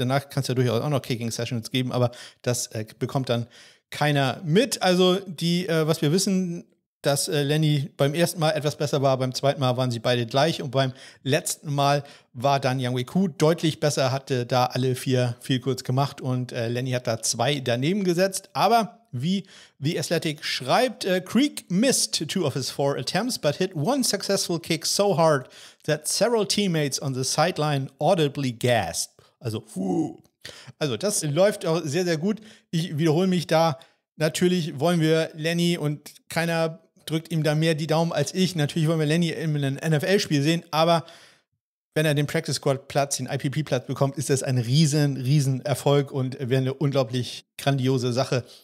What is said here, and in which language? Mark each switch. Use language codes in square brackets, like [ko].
[de] Danach kann es ja durchaus auch noch Kicking-Sessions geben, aber das bekommt dann keiner mit. Also die, was wir wissen, dass Lenny beim ersten Mal etwas besser war, beim zweiten Mal waren sie beide gleich und beim letzten Mal war dann Yang Weiku deutlich besser, hatte da alle vier viel kurz gemacht und Lenny hat da zwei daneben gesetzt. Aber wie [en] The Athletic schreibt, Creek missed two of his four attempts, but hit one successful kick so hard that several teammates on the sideline audibly gasped. [de] Also, puh. Also das läuft auch sehr, sehr gut. Ich wiederhole mich da. Natürlich wollen wir Lenny und keiner drückt ihm da mehr die Daumen als ich. Natürlich wollen wir Lenny in einem NFL-Spiel sehen, aber wenn er den Practice-Squad-Platz, den IPP-Platz bekommt, ist das ein riesen, riesen Erfolg und wäre eine unglaublich grandiose Sache.